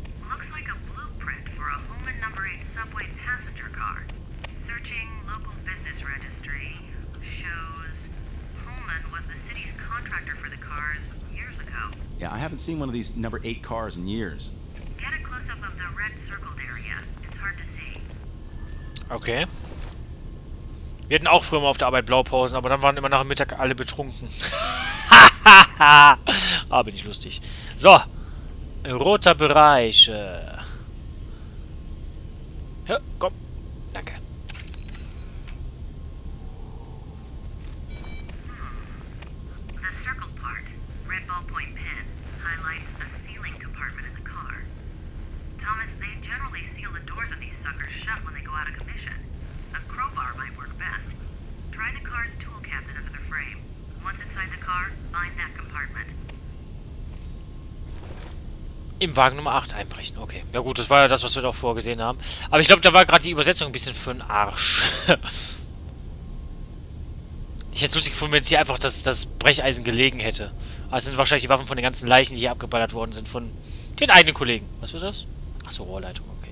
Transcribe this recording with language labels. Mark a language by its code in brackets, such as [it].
[en] Looks like a blueprint for a Holman number 8 subway passenger car. Searching local business registry shows Holman was the city's contractor for the cars years ago. Yeah, I haven't seen one of these number 8 cars in years. Get a close up of the red circled area. It's hard to see. Okay. [de] Wir hatten auch früher mal auf der Arbeit Blaupausen, aber dann waren immer nach dem Mittag alle betrunken. Ah, bin ich lustig. So. Roter Bereich. Ja, komm. Danke. [en] The circle part, red ballpoint pen, highlights a sealing compartment in the car. Thomas, they generally seal the doors of these suckers shut when they go out of commission. A crowbar might work best. Try the car's tool cabinet under the frame. Once inside the car, find that compartment. [de] Im Wagen Nummer 8 einbrechen. Okay. Ja gut, das war ja das, was wir doch vorgesehen haben. Aber ich glaube, da war gerade die Übersetzung ein bisschen für den Arsch. Ich hätte es lustig gefunden, wenn jetzt hier einfach das Brecheisen gelegen hätte. Aber es sind wahrscheinlich die Waffen von den ganzen Leichen, die hier abgeballert worden sind, von den eigenen Kollegen. Was war das? Achso, Rohrleitung.